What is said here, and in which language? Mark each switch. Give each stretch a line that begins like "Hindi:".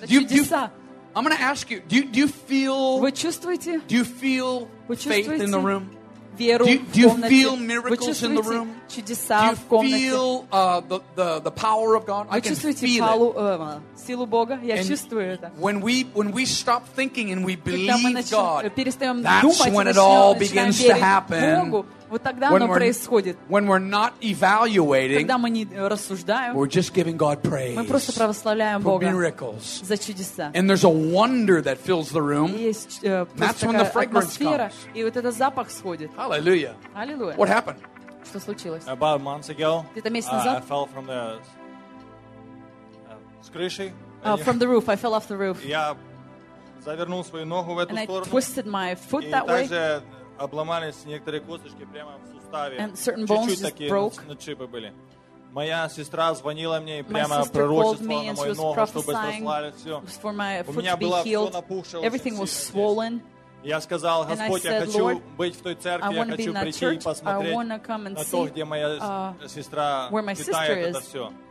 Russian: Это чудеса.
English: I'm gonna ask you. Do you feel?
Russian: Вы чувствуете?
English: Do you feel faith in the room?
Russian: Веру в комнате.
English: Do you feel miracles in the room?
Russian: чудеса в комнате. Вы чувствуете силу Бога? Я чувствую это.
English: When we stop thinking and we believe God,
Russian: перестаем думать,
English: when it all begins to happen.
Russian: Вот тогда оно происходит.
English: When we're not evaluating,
Russian: когда мы не рассуждаем,
English: we're just giving God praise,
Russian: мы просто православляем
English: for
Russian: Бога
English: miracles,
Russian: за чудеса.
English: And there's a wonder that fills the room.
Russian: Есть,
English: that's when the fragrance comes.
Russian: И вот этот запах сходит.
English: Hallelujah. Hallelujah. What happened?
Russian: Что случилось?
English: About a month ago,
Russian: где-то месяц назад,
English: I fell from the
Russian: с крыши.
English: From the roof. I fell off the roof.
Russian: Я завернул свою ногу в эту сторону.
English: I twisted my foot that way.
Russian: Обломались некоторые косточки прямо в суставе. Чуть-чуть такие на чипы были. Моя сестра звонила мне и прямо пророчествовала на мою ногу, чтобы срослось все. У меня было все напухшее очень сильно. Я сказал: Господь, я хочу быть в той церкви, я хочу прийти и посмотреть на то, где моя сестра питает это все.